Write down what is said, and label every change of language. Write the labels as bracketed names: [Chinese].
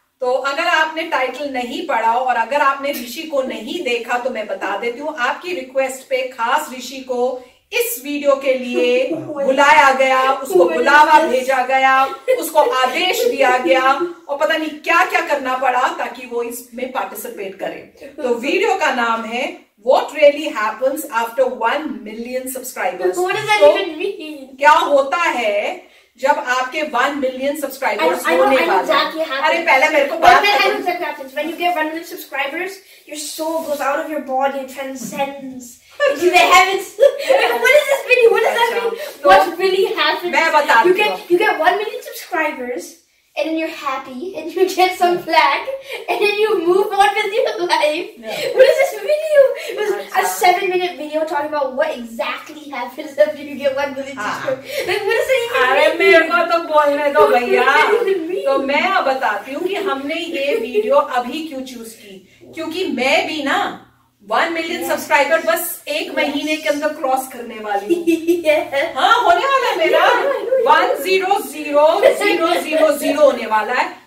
[Hindi] तो अगर आपने टाइटल नहीं पढ़ा और अगर आपने ऋषि को नहीं देखा तो मैं बता देती हूँ, आपकी रिक्वेस्ट पे खास ऋषि को इस वीडियो के लिए बुलाया गया, उसको बुलावा भेजा गया, उसको आदेश दिया गया और पता नहीं क्या क्या करना पड़ा ताकि वो इसमें पार्टिसिपेट करे। तो वीडियो का नाम है What really happens after 1 million subscribers? [English] What does that even mean? [Hindi] क्या होता है जब आपके 1 million subscribers होने वाले? अरे पहले मेरे को बात करो। [English] I know exactly what happens. When you get 1 million subscribers, your soul goes out of your body and transcends into the heavens. What is this video? What does that mean? What really happens? [Hindi] मैं बता रही हूँ। [English] You get 1 million subscribers. And then you're happy, and you get some flag, and then you move on with your life. Yeah. What is this video? It was a 7-minute video talking about what exactly happens after you get 1 million subscribers. Like, what does that even mean? [Hindi] अरे मेरे को तो बोलने दो भैया। तो मैं अब बताती हूँ कि हमने ये वीडियो अभी क्यों चूज की, क्योंकि मैं भी ना 1 million सब्सक्राइबर बस एक महीने के अंदर क्रॉस करने वाली हूँ। हाँ, होने वाला है मेरा 100000 होने वाला है।